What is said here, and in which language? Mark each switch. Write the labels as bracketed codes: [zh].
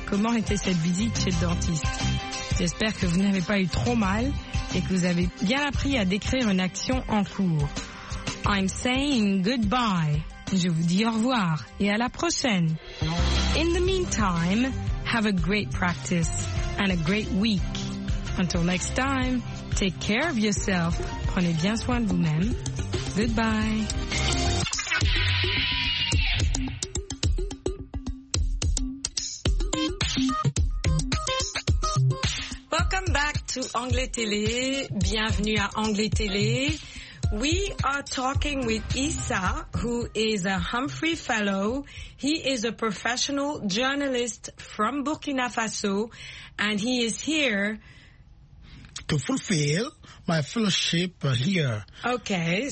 [fr] Comment était cette visite chez le dentiste? J'espère que vous n'avez pas eu trop mal et que vous avez bien appris à décrire une action en cours. [en] I'm saying goodbye. [fr] Je vous dis au revoir et à la prochaine. [en] In the meantime, have a great practice and a great week. Until next time, take care of yourself. [fr] Prenez bien soin de vous-même. [en] Goodbye. To [fr] Anglais Télé, bienvenue à Anglais Télé. [en] We are talking with Issa, who is a Humphrey Fellow. He is a professional journalist from Burkina Faso, and he is here to fulfill my fellowship here. Okay.